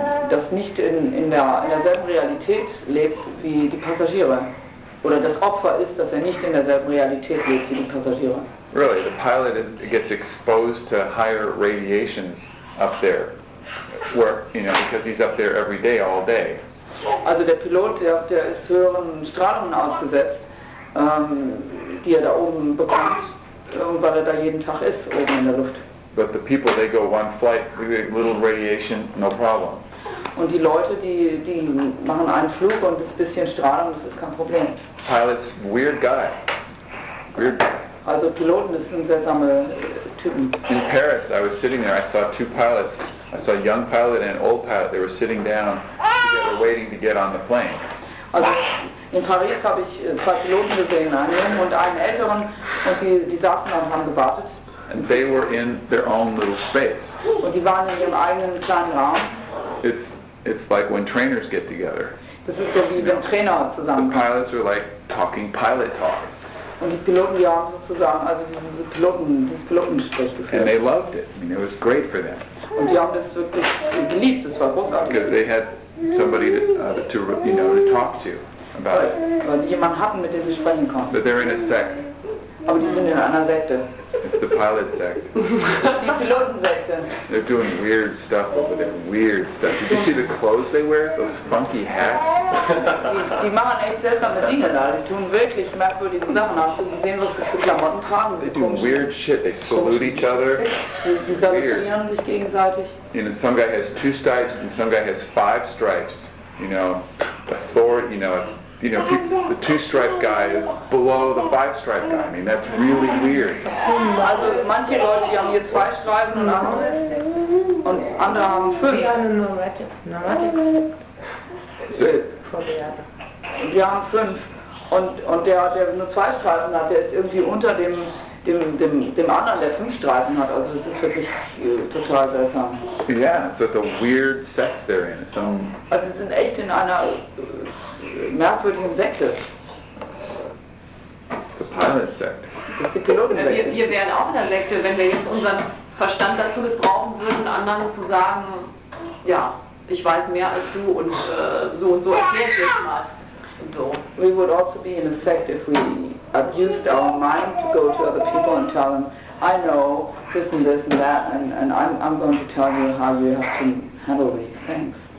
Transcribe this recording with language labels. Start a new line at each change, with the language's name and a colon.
German: Das nicht in derselben Realität lebt wie die Passagiere. Oder das Opfer ist, dass nicht in derselben Realität lebt wie die Passagiere.
English: Really, the pilot gets exposed to higher radiations up there, where, you know, because he's up there every day, all day.
German: Also der Pilot, der ist höheren Strahlungen ausgesetzt, die da oben bekommt, weil da jeden Tag ist, oben in der Luft.
English: But the people, they go one flight, little radiation, no problem.
German: Und die Leute, die machen einen Flug und das bisschen Strahlung, das ist kein Problem.
English: Pilot's weird guy. Weird guy.
German: Also Piloten, das sind seltsame Typen.
English: In Paris, I was sitting there, I saw two pilots. I saw a young pilot and an old pilot. They were sitting down together waiting to get on the plane.
German: Also in Paris habe ich zwei Piloten gesehen, einen jungen und einen älteren, und die saßen dann und haben gewartet.
English: And they were in their own little space.
German: Und die waren in ihrem eigenen kleinen Raum.
English: It's like when trainers get together.
German: Das ist so wie wenn Trainer zusammen.
English: The pilots are like talking pilot talk.
German: Und die Piloten, die haben sozusagen, also dieses Pilotengespräch geführt.
English: And they loved it. I mean, it was great for them.
German: Und die haben das wirklich geliebt. Das war großartig.
English: Because they had somebody to talk to about it.
German: Weil sie jemanden hatten, mit dem sie sprechen konnten.
English: But they're in a sect.
German: Aber die sind in einer Sekte.
English: It's the pilot sect.
German: Die Pilotensekte.
English: They're doing weird stuff over there. Weird stuff. Did you see the clothes they wear? Those funky hats.
German: Die machen echt seltsame Dinge da. Die tun wirklich merkwürdige Sachen. Hast du gesehen, was sie für Klamotten tragen?
English: They do weird shit. They salute each other.
German: Die salutieren sich gegenseitig.
English: You know, some guy has two stripes and some guy has five stripes. You know, authority. You know, it's, you know, the two-stripe guy is below the five-stripe guy. I mean, that's really weird.
German: Also, manche Leute, die haben hier zwei Streifen und andere haben fünf.
English: We are neurotics.
German: Wir haben fünf und der nur zwei Streifen hat, der ist irgendwie unter dem anderen, der fünf Streifen hat. Also, es ist wirklich total seltsam.
English: Yeah, so it's a weird sect they're in.
German: Also, sie sind echt in einer merkwürdigen Sekte.
English: The pilot sect.
German: Das ist die Pilotensekte. Wir wären auch in der Sekte, wenn wir jetzt unseren Verstand dazu missbrauchen würden, anderen zu sagen, ja, ich weiß mehr als du und so erklär ich jetzt mal.
English: So. We would also be in a sect if we abused our mind to go to other people and tell them, I know this and this and that, and I'm going to tell you how you have to handle these things.